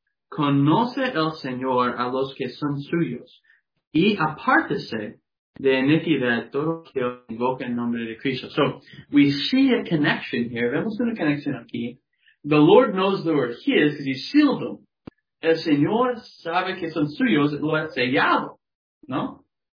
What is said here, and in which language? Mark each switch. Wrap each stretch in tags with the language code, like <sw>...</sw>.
<es>Conoce el Señor a los que son suyos y apártese de iniquidad todo lo que invoca el nombre de Cristo.</es> <en>So, we see a connection here.</en> <es>Vemos una conexión aquí.</es> <en>The Lord knows they are his because he sealed them.</en> <es>El Señor sabe que son suyos, lo ha sellado, ¿no?</es>